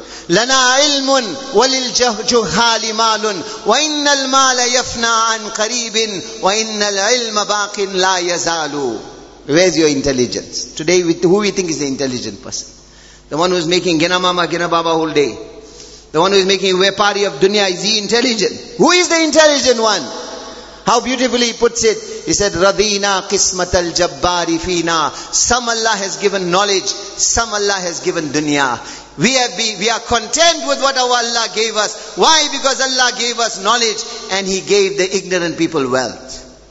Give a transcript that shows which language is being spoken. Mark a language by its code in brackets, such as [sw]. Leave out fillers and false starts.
[ar] لَنَا عِلْمٌ وَلِلْجُهَّالِ مَالٌ وَإِنَّ الْمَالَ يَفْنَى عَنْ قَرِيبٍ وَإِنَّ الْعِلْمَ بَاقٍ لَا يَزَالُ. [en] Where's your intelligence? Today, who we think is the intelligent person? The one who's making Gina Mama, Gina Baba whole day. The one who's making a party of dunya, is he intelligent? Who is the intelligent one? How beautifully he puts it. He said, [ar] رَضِينَا قِسْمَةَ الْجَبَّارِ فِينَا. [en] Some Allah has given knowledge, some Allah has given dunya. We are content with what our Allah gave us. Why? Because Allah gave us knowledge and He gave the ignorant people wealth.